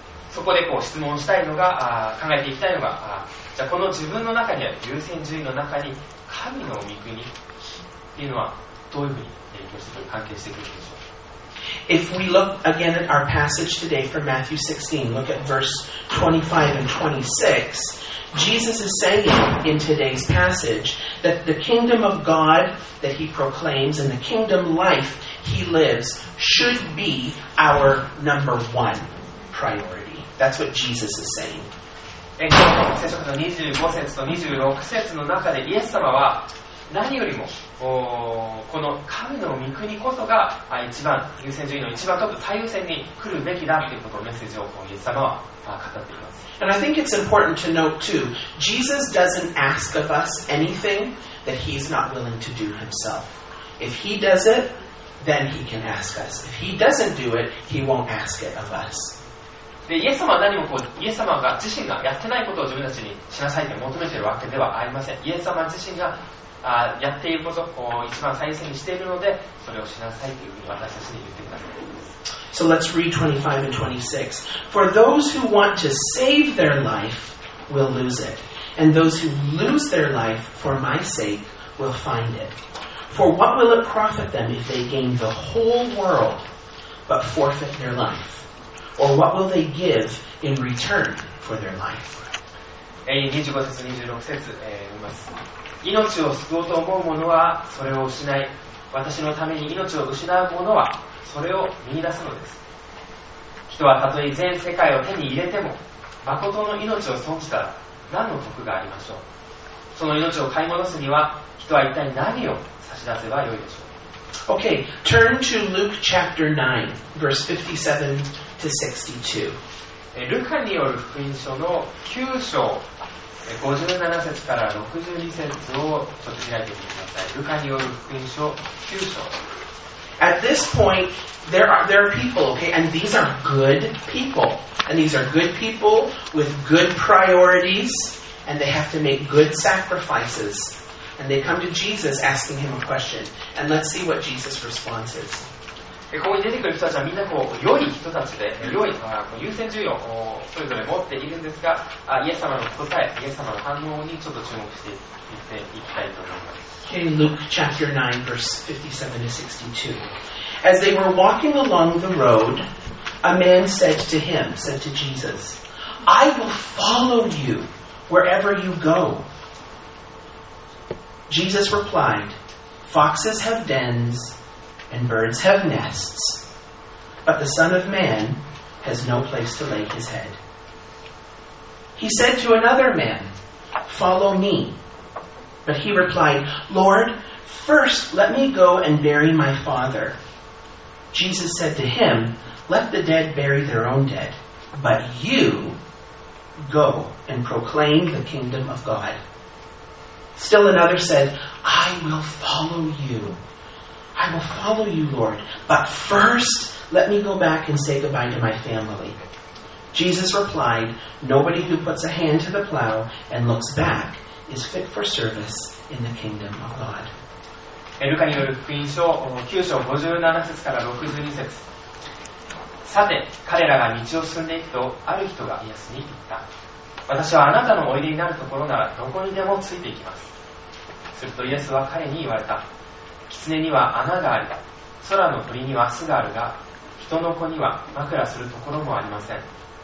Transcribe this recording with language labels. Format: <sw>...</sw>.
<ja>そこでこう質問したいのが、考えていきたいのが、じゃあこの自分の中にある優先順位の中に神の御国っていうのはどういうふうに影響して関係してくるんでしょう。</ja> <en>If we look again at our passage today from Matthew 16, look at verse 25 and 26, Jesus is saying in today's passage that the kingdom of God that he proclaims and the kingdom life he lives should be our number one priority. That's what Jesus is saying.</en> <ja>聖書の25節と26節の中でイエス様は何よりもこの神の御国こそが一番優先順位の一番トップ最優先に来るべきだということをメッセージをイエス様は語っています。</ja> <en>And I think it's important to note too, Jesus doesn't ask of us anything that he's not willing to do himself. If he does it, then he can ask us. If he doesn't do it, he won't ask it of us.</en> <ja>でイエス様は何もこうイエス様が自身がやってないことを自分たちにしなさいと求めているわけではありません。イエス様自身がやっていることを一番最優先にしているのでそれをしなさいというふうに私たちに言ってくださっています。</ja> <en>So let's read 25 and 26. For those who want to save their life will lose it, and those who lose their life for my sake will find it. For what will it profit them if they gain the whole world but forfeit their life? Or what will they give in return for their life?</en> <ja>25節26節、います。命を救おうと思う者はそれを失い、私のために命を失う者はそれを見出すのです。人はたとえ全世界を手に入れても、誠の命を損じたら何の得がありましょう。その命を買い戻すには、人は一体何を差し出せばよいでしょう。</ja> <en>Okay, turn to Luke chapter 9, verse 57 to 62.</en> <ja>ルカによる福音書の9章57節から62節をちょっと開いてみてください。ルカによる福音書9章。</ja> <en>At this point, there are people, okay, and these are good people. And these are good people with good priorities, and they have to make good sacrifices. And they come to Jesus asking him a question. And let's see what Jesus' response is.</en> <ja>ここに出てくる人たちはみんなこう良い人たちで、良い優先順位をそれぞれ持っているんですが、イエス様の答え、イエス様の反応にちょっと注目していっていきたいと思います。</ja> <en>Okay, Luke chapter 9, verse 57 to 62. As they were walking along the road, a man said to him, said to Jesus, I will follow you wherever you go. Jesus replied, Foxes have dens and birds have nests, but the Son of Man has no place to lay his head. He said to another man, Follow me. But he replied, Lord, first let me go and bury my father. Jesus said to him, Let the dead bury their own dead, but you go and proclaim the kingdom of God. Still another said, I will follow you. I will follow you, Lord. But first, let me go back and say goodbye to my family. Jesus replied, Nobody who puts a hand to the plow and looks back is fit for service in the kingdom of God.</en> <ja>ルカによる福音書9章57節から62節。さて、彼らが道を進んでいくと、ある人がイエスに言った。私はあなたのおいでになるところならどこにでもついていきます。するとイエスは彼に言われた。狐には穴があり、空の鳥には巣があるが、人の子には枕するところもありません。</ja>